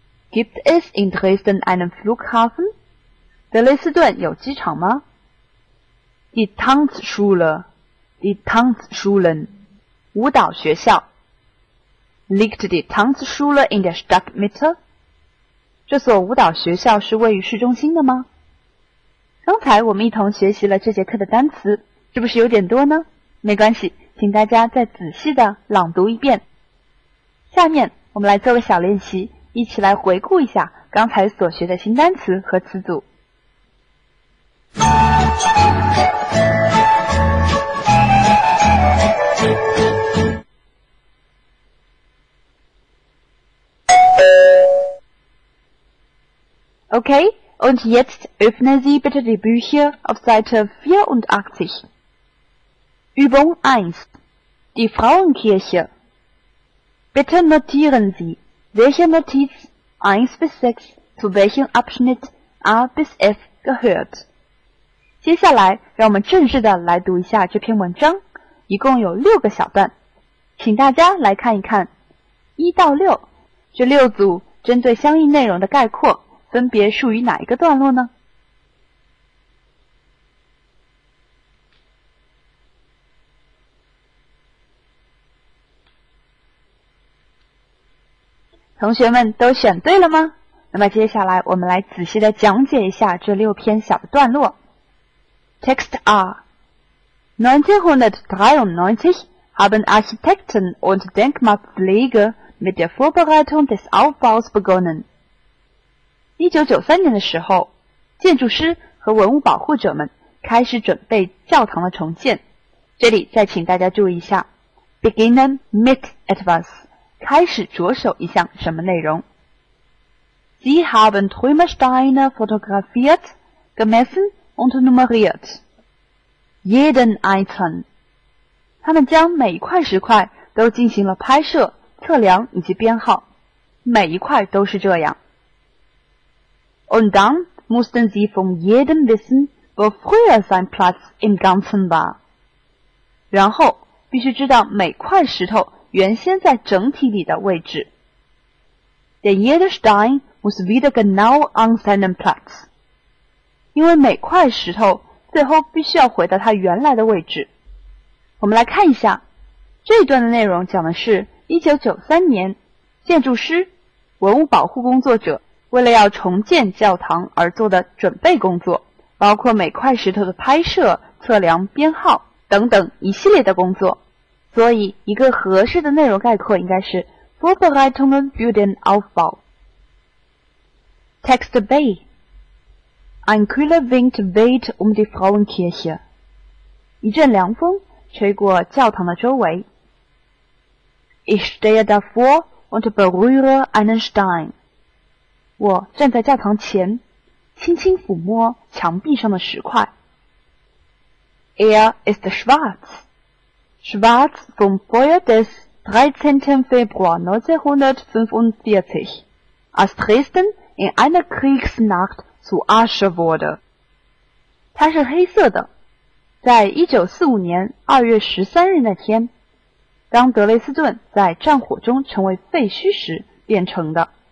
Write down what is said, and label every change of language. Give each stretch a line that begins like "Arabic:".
German: Gibt es in Dresden einen Flughafen?
Chinese: 德累斯顿有机场吗？
German: Die Tanzschule,
Chinese: 舞蹈学校。
German: Liegt die Tanzschule in der Stadtmitte?
Chinese: 这所舞蹈学校是位于市中心的吗？刚才我们一同学习了这节课的单词，是不是有点多呢？没关系，请大家再仔细的朗读一遍。下面我们来做个小练习，一起来回顾一下刚才所学的新单词和词组。
German: Okay, und jetzt öffnen Sie bitte die Bücher auf Seite 84. Übung 1. Die Frauenkirche. Bitte notieren Sie, welche Notiz 1 bis 6 zu welchem Abschnitt A bis F gehört.
Chinese: 接下来让我们正式的来读一下这篇文章，一共有六个小段，请大家来看一看一到六这六组针对相应内容的概括分别属于哪一个段落呢？同学们都选对了吗？那么接下来我们来仔细的讲解一下这六篇小的段落。
German: Text A. 1993 haben Architekten und Denkmalpflege mit der Vorbereitung des Aufbaus begonnen.
Chinese: 1993年的时候，建筑师和文物保护者们开始准备教堂的重建。这里再请大家注意一下，
German: beginnen mit etwas，
Chinese: 开始着手一项什么内容
German: ？Sie haben Trümmersteine fotografiert, gemessen und nummeriert jeden Einzelnen。
Chinese: 他们将每一块石块都进行了拍摄、测量以及编号，每一块都是这样。
German: Und dann mussten sie von jedem wissen, wo früher sein Platz im Ganzen war.
Chinese: 然后必须知道每块石头原先在整体里的位置。
German: Denn jeder Stein muss wieder genau an seinem Platz.
Chinese: 因为每块石头最后必须要回到它原来的位置。我们来看一下，这一段的内容讲的是1993年，建筑师、文物保护工作者为了要重建教堂而做的准备工作，包括每块石头的拍摄、测量、编号等等一系列的工作。所以一个合适的内容概括应该是
German: Vorbereitungen für den Aufbau. Text B. Ein kühler Wind weht die Frauenkirche.
Chinese: 一阵凉风吹过教堂的周围。
German: Ich stehe davor und berühre einen Stein.
Chinese: 我站在教堂前，轻轻抚摸墙壁上的石块。
German: Er ist schwarz. Schwarz vom Feuer des 13. Februar 1945, als Dresden in einer Kriegsnacht zu Asche wurde.
Chinese: 它是黑色的，在1945年2月13日那天，当德累斯顿在战火中成为废墟时变成的。